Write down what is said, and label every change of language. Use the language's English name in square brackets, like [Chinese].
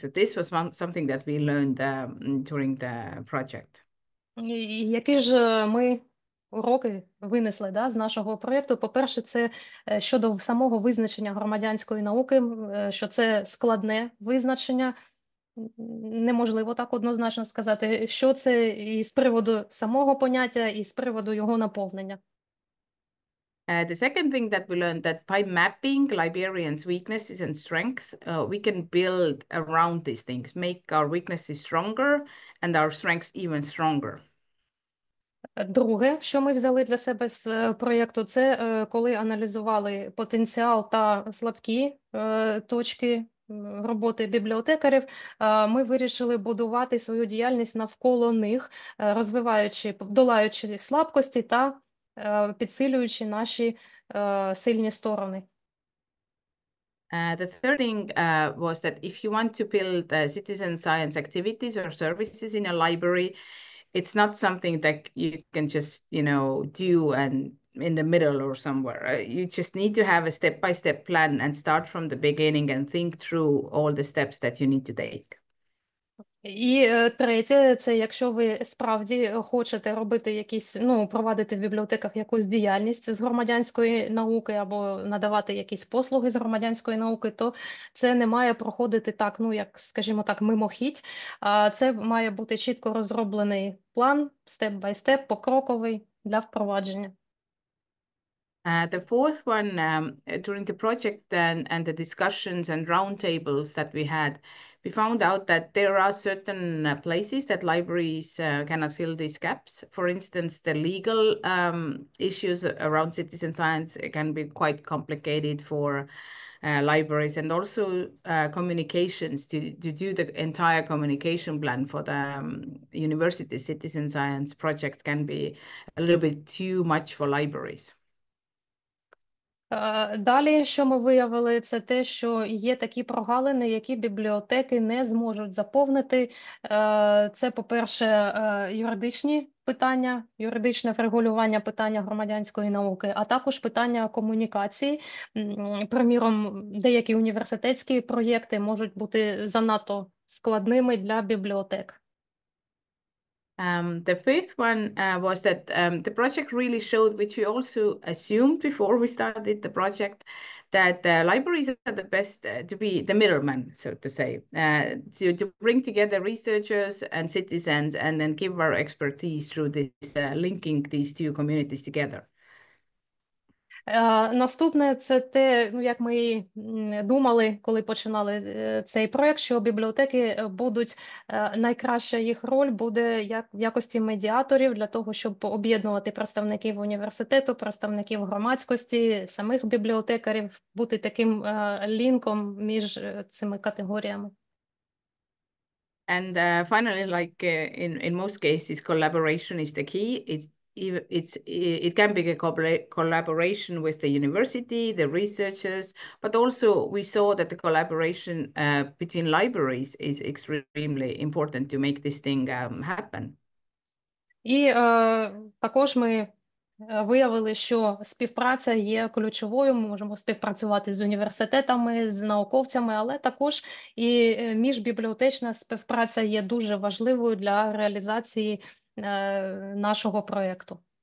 [English] So this was something that we learned during the project. [Ukrainian] Які ж ми уроки винесли, да, з нашого проєкту? По-перше, це щодо самого визначення громадянської науки, що це складне визначення, неможливо так однозначно сказати, що це і з приводу самого поняття, і з приводу його наповнення. [English] The second thing that we learned that by mapping librarians' weaknesses and strengths, we can build around these things, make our weaknesses stronger and our strengths even stronger. [Ukrainian] Друге, що ми взяли для себе з проєкту, це коли аналізували потенціал та слабкі точки роботи бібліотекарів, ми вирішили будувати свою діяльність навколо них, розвиваючи, долаючи слабкості та підсилюючи наші сильні сторони. [English] The third thing was that if you want to build citizen science activities or services in a library, it's not something that you can just, you know, do and in the middle or somewhere. You just need to have a step-by-step plan and start from the beginning and think through all the steps that you need to take. [Ukrainian] І третє, це якщо ви справді хочете робити якісь, ну, провадити в бібліотеках якусь діяльність з громадянської науки або надавати якісь послуги з громадянської науки, то це не має проходити так, ну, як, скажімо так, мимохідь, а це має бути чітко розроблений план, степ-бай-степ, покроковий для впровадження. [English] The fourth one, during the project and the discussions and roundtables that we had, we found out that there are certain places that libraries cannot fill these gaps. For instance, the legal issues around citizen science can be quite complicated for libraries, and also communications to do the entire communication plan for the university citizen science project can be a little bit too much for libraries. [Ukrainian] Далі, що ми виявили, це те, що є такі прогалини, які бібліотеки не зможуть заповнити. Це, по-перше, юридичні питання, юридичне врегулювання питання громадянської науки, а також питання комунікації. Приміром, деякі університетські проєкти можуть бути занадто складними для бібліотек. [English] The fifth one was that the project really showed, which we also assumed before we started the project, that libraries are the best to be the middleman, so to say, to bring together researchers and citizens and then give our expertise through this linking these two communities together. [Ukrainian] Наступне – це те, як ми думали, коли починали цей проєкт, що бібліотеки будуть, найкраща їх роль буде як в якості медіаторів для того, щоб об'єднувати представників університету, представників громадськості, самих бібліотекарів, бути таким лінком між цими категоріями. [English] And finally, like in most cases, collaboration is the key. It can be a collaboration with the university, the researchers, but also we saw that the collaboration between libraries is extremely important to make this thing happen. [Ukrainian] І також ми виявили, що співпраця є ключовою, ми можемо співпрацювати з університетами, з науковцями, але також і міжбібліотечна співпраця є дуже важливою для реалізації нашого проєкту.